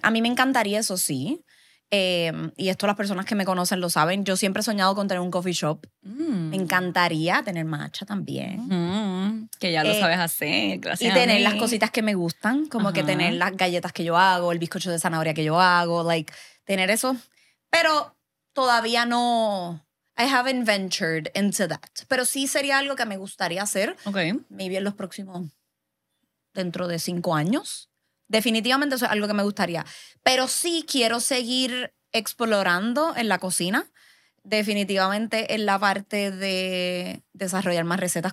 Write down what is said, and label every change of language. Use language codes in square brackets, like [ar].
[es] A mí me encantaría eso, sí. Y esto las personas que me conocen lo saben. Yo siempre he soñado con tener un coffee shop. Me encantaría tener matcha también. Que ya lo sabes hacer, gracias. Y tener las cositas que me gustan, como que tener las galletas que yo hago, el bizcocho de zanahoria que yo hago, like, tener eso. Pero todavía no... [en] I haven't ventured into that. [es] Pero sí sería algo que me gustaría hacer. Okay. Maybe en los próximos... dentro de 5 años. Definitivamente eso es algo que me gustaría. Pero sí quiero seguir explorando en la cocina. Definitivamente en la parte de desarrollar más recetas.